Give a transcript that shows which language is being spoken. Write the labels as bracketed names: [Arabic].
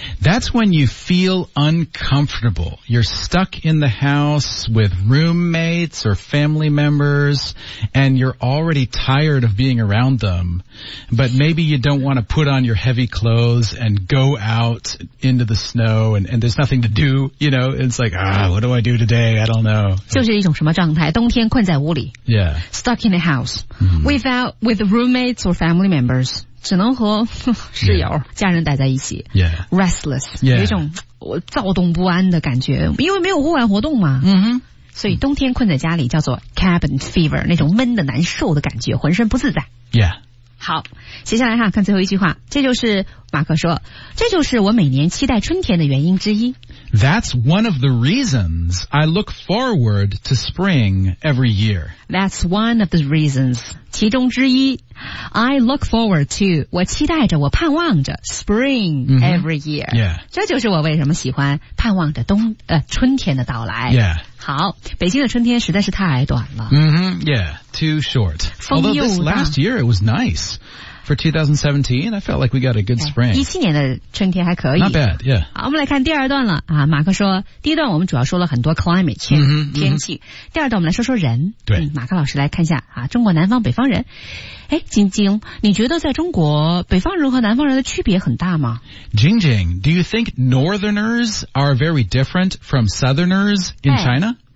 [English] That's when you feel uncomfortable You're stuck in the house With roommates or family members And you're already tired of being around them But maybe you don't want to put on your heavy clothes And go out into the snow And there's nothing to do You know, it's like, ah, what do I do today? I don't know [Chinese] 就是一种什么状态冬天困在屋里 [English] Yeah Stuck in the house、mm-hmm. With roommates or family members [Chinese] 只能和室友、 [English] yeah. [Chinese] 家人待在一起、 [English] yeah. Restless、 yeah. [Chinese] 有一种躁动不安的感觉因为没有户外活动嘛、 mm-hmm. 所以冬天困在家里叫做 cabin fever 那种闷的难受的感觉浑身不自在、 [English] yeah. [Chinese] 好接下来哈看最后一句话这就是马克说这就是我每年期待春天的原因之一 [English] That's one of the reasons I look forward to spring every year That's one of the reasons [Chinese] 其中之一 [English] I look forward to [Chinese] 我期待着我盼望着 [English] spring every year、 mm-hmm. yeah. [Chinese] 这就是我为什么喜欢盼望着冬春天的到来 [English] yeah. [Chinese] 好北京的春天实在是太短了、 [English] mm-hmm. yeah too short [Chinese] 风又大 [English] although this last year it was niceFor 2017, I felt like we got a good spring. [Chinese] 17年的春天还可以。 [English] Not bad, yeah. [Chinese] 好我们来看第二段了。啊马克说第一段我们主要说了很多 climate change, 天气。 Mm-hmm. 第二段我们来说说人。对。马克老师来看一下啊中国南方北方人。诶晶晶你觉得在中国北方人和南方人的区别很大吗 [English] 晶晶 do you think northerners are very different from southerners in China?